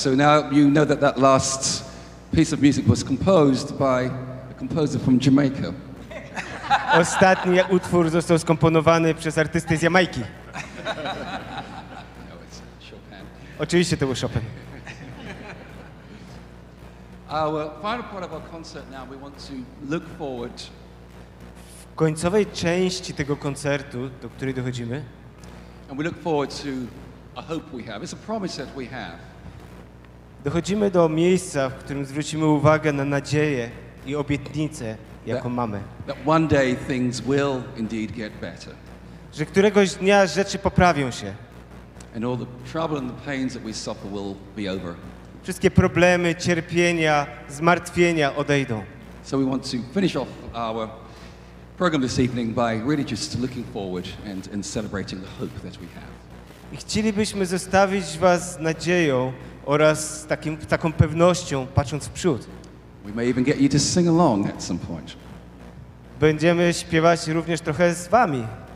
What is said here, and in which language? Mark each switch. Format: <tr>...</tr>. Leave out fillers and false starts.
<en>So now you know that that last piece of music was composed by a composer from Jamaica.</en> <pl>Ostatni utwór został skomponowany przez artystę z Jamajki.</pl> <en>No, it's Chopin.</en> <pl>Oczywiście to był Chopin.</pl> <en>Our final part of our concert now, we want to look forward.</en> <pl>W końcowej części tego koncertu, do której dochodzimy,</pl> <en>and we look forward to a hope we have. It's a promise that we have.</en> <pl>Dochodzimy do miejsca, w którym zwrócimy uwagę na nadzieję i obietnicę, jaką mamy.</pl> <en>That one day things will indeed get better.</en> <pl>Że któregoś dnia rzeczy poprawią się.</pl> <en>And all the trouble and the pains that we suffer will be over.</en> <pl>Wszystkie problemy, cierpienia, zmartwienia odejdą.</pl> <en>So we want to finish off our program this evening by really just looking forward and celebrating the hope that we have.</en> <pl>I chcielibyśmy zostawić was z nadzieją oraz taką pewnością, patrząc w przód.</pl> <en>We may even get you to sing along at some point.</en> <pl>Będziemy śpiewać również trochę z wami.</pl>